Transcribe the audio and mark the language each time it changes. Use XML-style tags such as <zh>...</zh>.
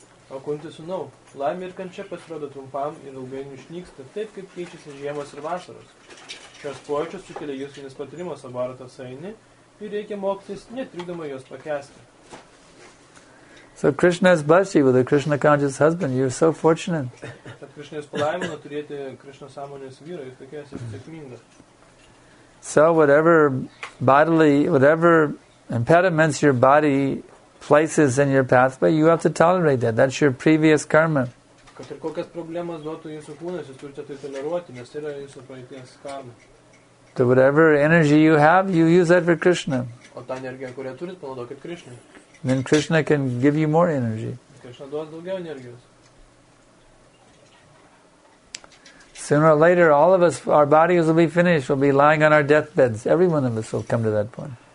<lt>O Kunti sūnau, laimė ir kančia pasirodo trumpam ir ilgai išnyksta taip, kaip keičiasi žiemos ir vasaros. Šios pojūčios sukelia jūsinis patyrimas abarato saini ir reikia mokytis netrikdamai jos pakęsti.</lt> <en>So Krishna has blessed you with a Krishna conscious husband. You're so fortunate.</en> <lt>Kad Krishna jūs palaimino turėti Krishna sąmonės vyrą, jūs tokia esi sėkminga.</lt> <en>So whatever bodily, whatever impediments your body places in your pathway, you have to tolerate that. That's your previous karma.</en> <lt>Kad ir kokias problemas duotų jūsų kūnas, jūs turite tai toleruoti, nes yra jūsų praeities karma.</lt> <en>So whatever energy you have, you use that for Krishna.</en> <lt>O tą energiją, kurią turit, panaudokit Krishna.</lt> <en>Then Krishna can give you more energy.</en> <lt>Krishna duos daugiau energijos.</lt> <en>Sooner or later, all of us, our bodies will be finished, we'll be lying on our deathbeds. Every one of us will come to that point.</en>